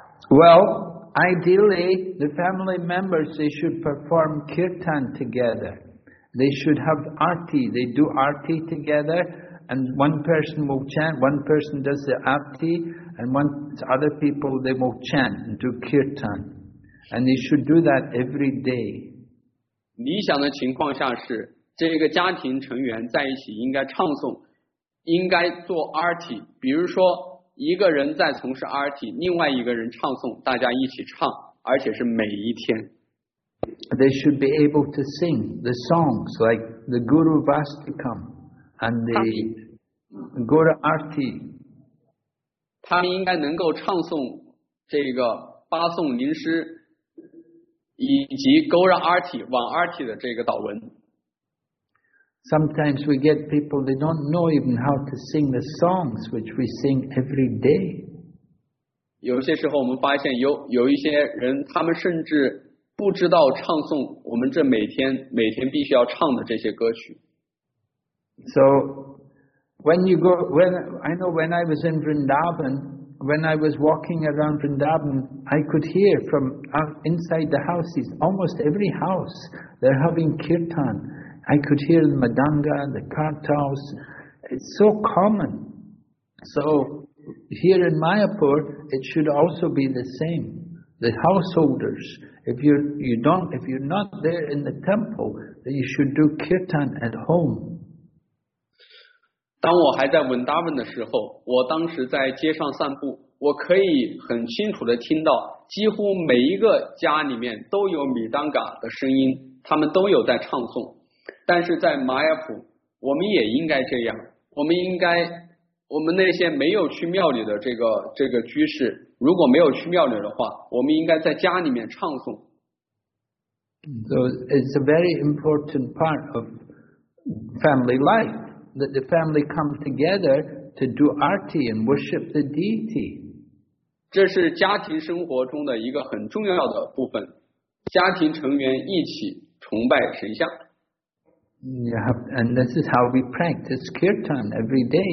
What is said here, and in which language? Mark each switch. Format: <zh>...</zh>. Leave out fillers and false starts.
<en>Well, ideally, the family members, they should perform kirtan together. They should have aarti. They do aarti together, and one person will chant, one person does the aarti, and other people, they will chant and do kirtan. And they should do that every day.</en> <zh>理想的情况下是，这个家庭成员在一起应该唱诵，应该做aarti，比如说一个人在从事 RT， 另外一个人唱诵，大家一起唱，而且是每一天。</zh> <en>They should be able to sing the songs like the Guru Vastikam and the Guru RT.</en> <zh>他们应该能够唱诵这个八颂灵诗以及 Guru RT 往 RT 的这个祷文。</zh> <en>Sometimes we get people, they don't know even how to sing the songs which we sing every day.</en> <zh>有些时候我们发现 有一些人他们甚至不知道唱诵我们这每天必须要唱的这些歌曲。</zh> <en>So, when I was in Vrindavan, when I was walking around Vrindavan, I could hear from inside the houses, almost every house, they're having kirtan. I could hear the madanga, the kartals. It's so common. So here in Mayapur, it should also be the same. The householders, if you're not there in the temple, then you should do kirtan at home.</en> <zh>当我还在文达文的时候，我当时在街上散步，我可以很清楚地听到，几乎每一个家里面都有米当嘎的声音，他们都有在唱诵。但是在玛雅普我们也应该这样，我们那些没有去庙里的这个居士，如果没有去庙里的话，我们应该在家里面唱诵。</zh> <en>So it's a very important part of family life that the family come together to do aarti and worship the deity.</en> <zh>这是家庭生活中的一个很重要的部分，家庭成员一起崇拜神像。</zh> <en>Yeah, and this is how we practice kirtan every day.</en>